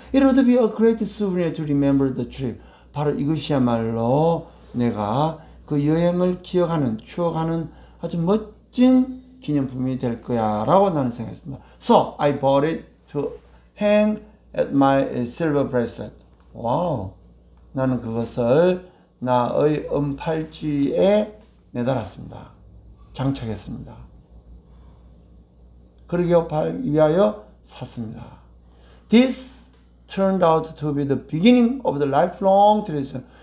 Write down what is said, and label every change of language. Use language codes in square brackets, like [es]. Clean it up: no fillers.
[en] It would be a great souvenir to remember the trip. [ko] 바로 이것이야말로 내가 그 여행을 기억하는 추억하는 아주 멋진 기념품이 될 거야 라고 나는 생각했습니다. [en] So I bought it to hang at my silver bracelet. [ko] 와우 나는 그것을 나의 은팔찌에 매달았습니다. 장착했습니다. 그러기 위하여 샀습니다. [en] This turned out to be the beginning of the lifelong tradition.